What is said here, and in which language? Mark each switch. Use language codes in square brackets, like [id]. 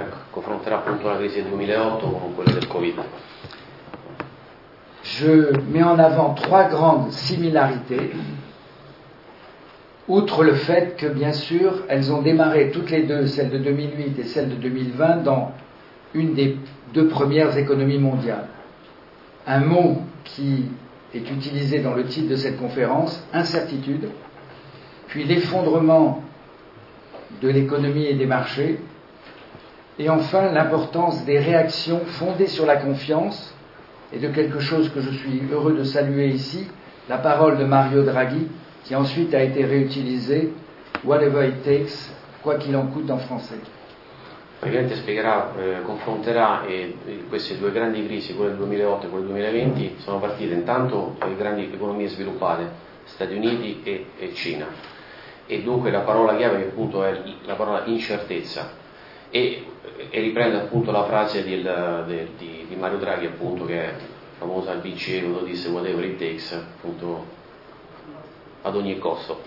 [it] Confronterà appunto la crisi del 2008 con quella del Covid. [fr] Je mets en avant trois grandes similarités, outre le fait que, bien sûr, elles ont démarré toutes les deux, celle de 2008 et celle de 2020, dans une des deux premières économies mondiales. Un mot qui est utilisé dans le titre de cette conférence, incertitude, puis l'effondrement de l'économie et des marchés, et enfin l'importance des réactions fondées sur la confiance, et de quelque chose que je suis heureux de saluer ici, la parole de Mario Draghi, qui ensuite a été réutilisée, [en] whatever it takes, [fr] quoi qu'il en coûte en français. [it] Praticamente spiegherà, confronterà queste due grandi crisi, quella del 2008 e quella del 2020, sono partite intanto le grandi economie sviluppate, Stati Uniti e Cina. E dunque la parola chiave appunto è la parola incertezza. E riprende appunto la frase di Mario Draghi, appunto, che è famosa al BCE, quando disse [en] whatever it takes, [it] appunto, ad ogni costo.